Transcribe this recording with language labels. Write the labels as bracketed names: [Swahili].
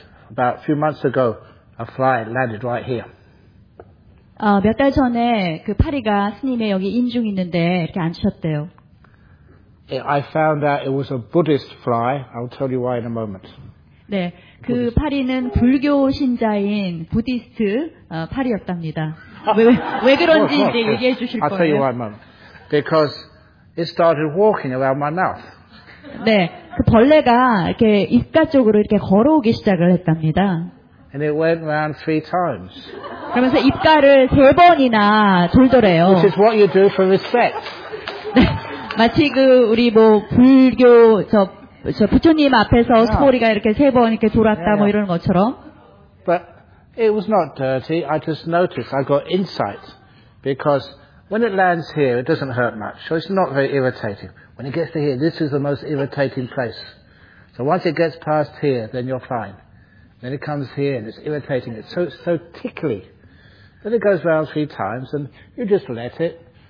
[English] About a few months ago, a fly landed right here. [Korean] 몇 달 전에 그 파리가 스님의 여기 인중 있는데 이렇게 앉으셨대요. [English] I found out it was a Buddhist fly. I'll tell you why in a moment. [Korean] 네, 그 Buddhist. 파리는 불교 신자인 부디스트 파리였답니다. 왜 그런지 이제 얘기해 주실 거예요. [English] I'll tell you why in a moment. Because it started walking around my mouth. [Korean] 네, 그 벌레가 이렇게 입가 쪽으로 이렇게 걸어오기 시작을 했답니다. [English] And it went around three times. [Korean] 그러면서 입가를 세 번이나 돌더래요. [English] Which is what you do for respect. [Korean] 마치 그 우리 뭐 불교 저 부처님 앞에서 소리가 이렇게 세 번 이렇게 돌았다 뭐 이런 것처럼. [English] But it was not dirty. I just noticed. I got insight because when it lands here, it doesn't hurt much, so it's not very irritating. When it gets to here, this is the most irritating place. So once it gets past here, then you're fine. Then it comes here and it's irritating. It's so tickly. Then it goes round three times and you just let it.